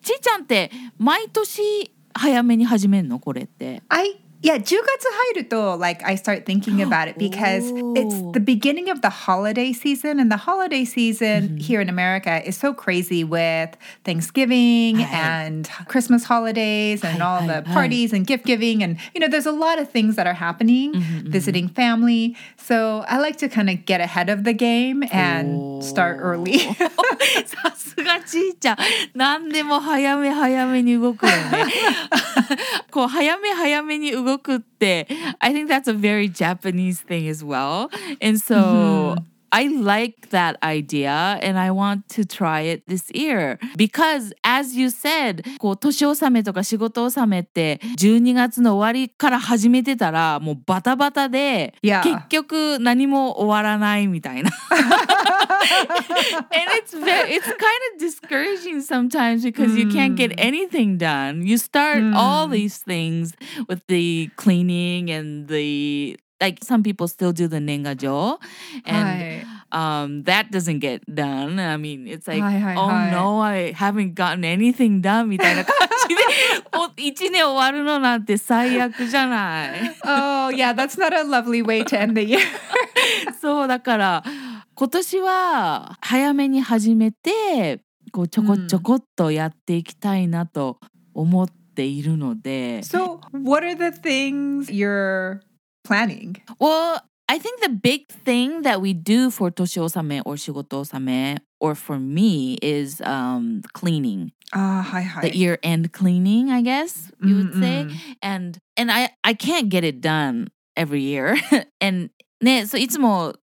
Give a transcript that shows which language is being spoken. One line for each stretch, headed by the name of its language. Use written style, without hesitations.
Japanese: ちーちゃんって毎年早めに始めるの? これって。 10月入ると
English: like I start thinking about it because it's the beginning of the holiday season, and the holiday season here in America is so crazy with Thanksgiving and Christmas holidays and all the parties and gift giving, and you know there's a lot of things that are happening, visiting family, so I like to kind of get ahead of the game and start early.
Japanese: さすがちーちゃん、何でも早め早めに動くよね。こう早め早めに動くって、
English: I think that's a very Japanese thing as well. And so, I like that idea and I want to try it this year. Because, as you said,
Japanese: こう年納めとか仕事納めって12月の終わりから始めてたらもうバタバタで、結局何も終わらないみたいな。
English: And it's kind of discouraging sometimes because you can't get anything done. You start all these things with the cleaning and the, like some people still do the nengajō. And that doesn't get done. I mean, it's like, no, I haven't gotten anything done
Japanese: みたいな感じで。 1年終わるのなんて最悪じゃない。
English: Oh, yeah, that's not a lovely way to end the year.
Japanese: そうだから、今年は早めに始めてこうちょこちょこっとやっていきたいなと思っているので。
English: So, what are the things you're planning? Well, I think the big thing that we do for 年納めor 仕事納め or for me is cleaning. Ah, hi. The year-end cleaning, I guess you would say. And I can't get it done every year. and
Japanese: ね、そういつも